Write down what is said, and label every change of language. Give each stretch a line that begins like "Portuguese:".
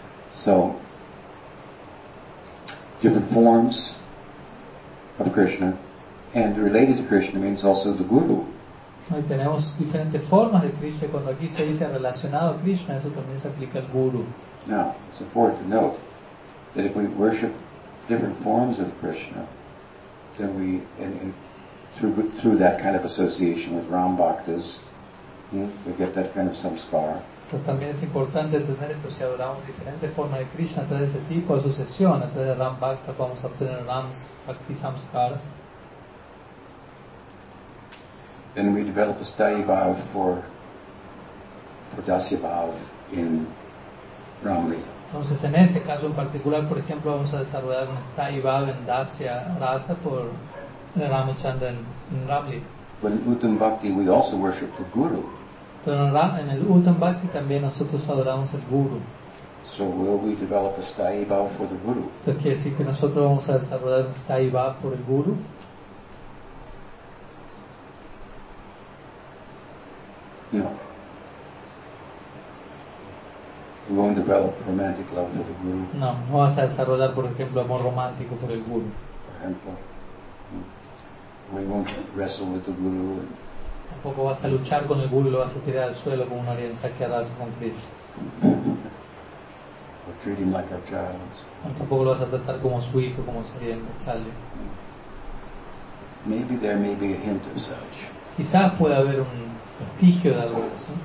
English: So, different forms of Krishna, and related to Krishna means also the guru.
Spanish: Y tenemos diferentes formas de Krishna. Cuando aquí se dice relacionado a Krishna, eso también se aplica al guru.
English: Now, it's important to note that if we worship different forms of Krishna, then we, and through that kind of association with Ram Bhaktas, we get that kind of samskara.
Spanish: Entonces también es importante entender esto, si adoramos diferentes formas de Krishna a través de ese tipo de asociación, a través de Ram Bhakta vamos a obtener Rams Bhakti Samskaras.
English: Then we develop a sthayi bhav for dasya bhav in Ramlila.
Spanish: Entonces en ese caso en particular, por ejemplo, vamos a desarrollar un sthayi bhav en dasya rasa por Ramachandra en Ramlila.
English: But in Uttam Bhakti we also worship the guru.
Spanish: Pero en el Uttam Bhakti también nosotros adoramos al Guru.
English: So will we develop a sthayi bhav for the Guru?
Spanish: ¿Entonces quiere decir que nosotros vamos a desarrollar un sthayi bhav por el Guru?
English: No. We won't develop romantic love for the Guru.
Spanish: No, no vas a desarrollar, por ejemplo, amor romántico por el Guru. Por ejemplo,
English: we won't wrestle with the Guru.
Spanish: Tampoco vas a luchar con el Guru y lo vas a tirar al suelo como una orienta que harás con Krishna. Tampoco lo vas a tratar como su hijo, como sería en Chalya. Maybe there may be a hint of such. Quizás pueda haber un vestigio de algo de eso.